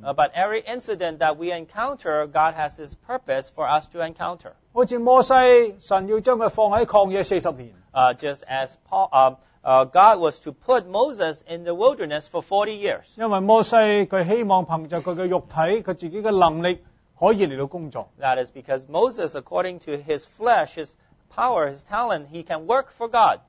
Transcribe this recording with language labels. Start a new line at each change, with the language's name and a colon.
English: But every incident that we encounter, God has His purpose for us to encounter.
Cantonese: 好似摩西，神要将佢放喺旷野40年。
English: Just as Paul, God was to put Moses in the wilderness for 40 years.
Cantonese: 因为摩西佢希望凭着佢嘅肉体，佢自己嘅能力。可以嚟到工作。
English: That is because Moses, according to his flesh, his power, his talent, he can work for God.